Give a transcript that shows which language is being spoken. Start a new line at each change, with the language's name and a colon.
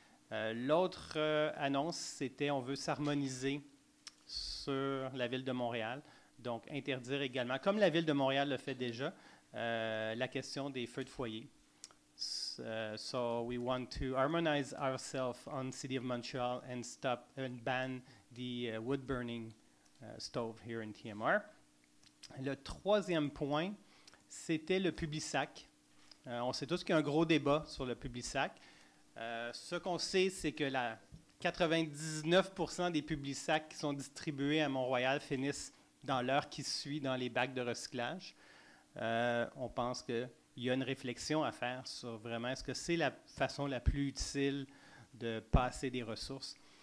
French: L'autre annonce, c'était on veut s'harmoniser sur la ville de Montréal, donc interdire également, comme la ville de Montréal le fait déjà, la question des feux de foyer.
English: So we want to harmonize ourselves on the city of Montreal and stop and ban the wood burning stove here in TMR.
French: Le troisième point, c'était le Publisac. On sait tous qu'il y a un gros débat sur le Publisac. Ce qu'on sait, c'est que la 99% des Publisacs qui sont distribués à Mont-Royal finissent dans l'heure qui suit dans les bacs de recyclage. On pense qu'il y a une réflexion à faire sur vraiment est-ce que c'est la façon la plus utile de passer des ressources.